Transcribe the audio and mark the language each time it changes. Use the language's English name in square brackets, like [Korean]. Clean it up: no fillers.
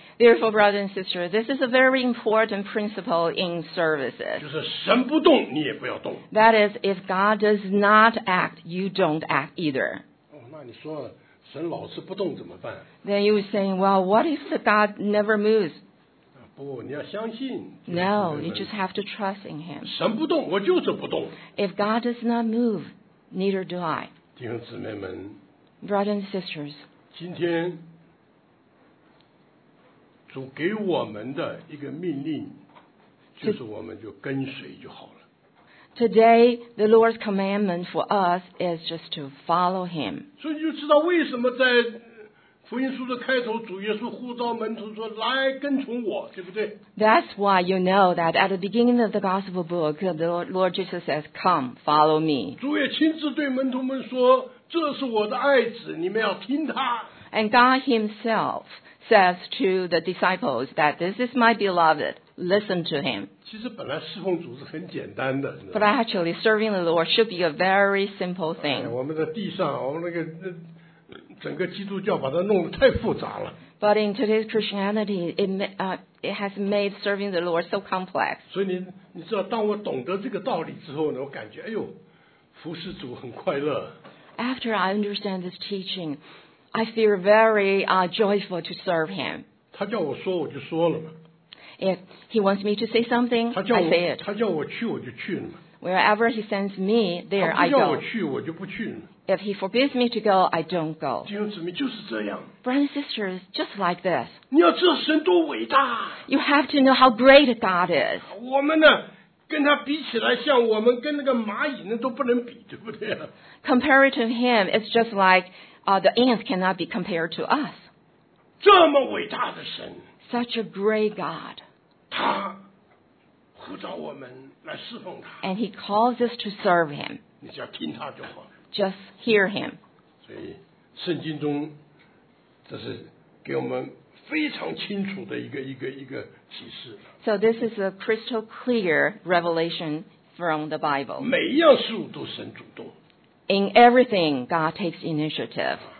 [English] Therefore, brothers and sisters, this is a very important principle in services. [Chinese] 就是神不动，你也不要动。 [English] That is, if God does not act, you don't act either. [Chinese] 哦，那你说神老是不动怎么办 [English] ？Then you were saying, well, what if God never moves? [Chinese] 不，你要相信。 [English] No, you just have to trust in Him. [Chinese] 神不动，我就是不动。 [English] If God does not move, neither do I. [Chinese] 弟兄姊妹们 [English] Brothers and sisters, [Chinese] 今天主给我们的一个命令就是我们就跟随就好了 [English] Today, the Lord's commandment for us is just to follow Him. [Chinese] 所以你就知道为什么在福音书的开头主耶稣呼召门徒说来跟从我对不对 [English] That's why you know that at the beginning of the gospel book the Lord Jesus says come follow me [Chinese] 主也亲自对门徒们说这是我的爱子你们要听他 [English] And God himself says to the disciples that this is my beloved listen to him [Chinese] 其实本来侍奉主是很简单的 [English] But actually serving the Lord should be a very simple thing、 [Chinese] 哎、我们在地上我们那个整个基督教把它弄得太复杂了。 [English] But in today's Christianity, it has made serving the Lord so complex. [Chinese] 所以你知道，当我懂得这个道理之后呢，我感觉哎呦，服侍主很快乐。 [English] After I understand this teaching, I feel very joyful to serve Him. [Chinese] 他叫我说，我就说了嘛。 [English] If He wants me to say something, I say it. [Chinese] 他叫我去，我就去了嘛。 [English] Wherever He sends me, there I go. [Chinese] 他不叫我去，我就不去了。 [English] If he forbids me to go, I don't go. [Chinese] 弟兄姊妹就是这样。 [English] Brothers and sisters, just like this. [Chinese] 你要知道神多伟大。 [English] You have to know how great God is. [Chinese] 我们呢，跟他比起来，像我们跟那个蚂蚁呢都不能比，对不对 [English] ？Compared to him, it's just like the ants cannot be compared to us. [Chinese] 这么伟大的神。 [English] Such a great God. [Chinese] 他呼召我们来侍奉他。 [English] And he calls us to serve him. [Chinese] 你只要听他就好。 [English] Just hear him. [Chinese] 所以圣经中这是给我们非常清楚的一个启示。 [English] So this is a crystal clear revelation from the Bible. [Chinese] 每一样事物都神主动。 [English] In everything, God takes initiative.